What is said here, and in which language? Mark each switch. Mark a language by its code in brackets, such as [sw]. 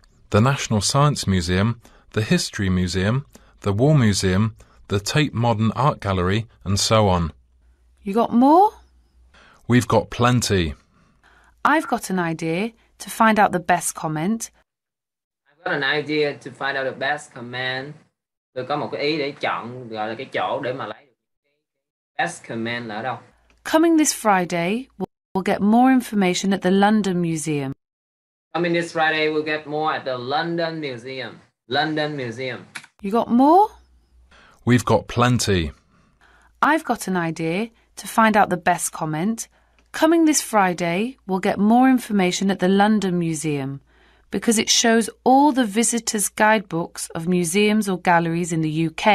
[en] The National Science Museum, the History Museum, the War Museum, the Tate Modern Art Gallery, and so on. You got more? We've got plenty. I've got an idea to find out the best comment. I've got an idea to find out the best comment. [vi] Tôi có một cái ý để chọn gọi là cái chỗ để mà lấy best comment là ở đâu. [en] Coming this Friday, we'll get more information at the London Museum. Coming this Friday, we'll get more at the London Museum. London Museum. You got more? We've got plenty. I've got an idea to find out the best comment. Coming this Friday, we'll get more information at the London Museum because it shows all the visitors' guidebooks of museums or galleries in the UK.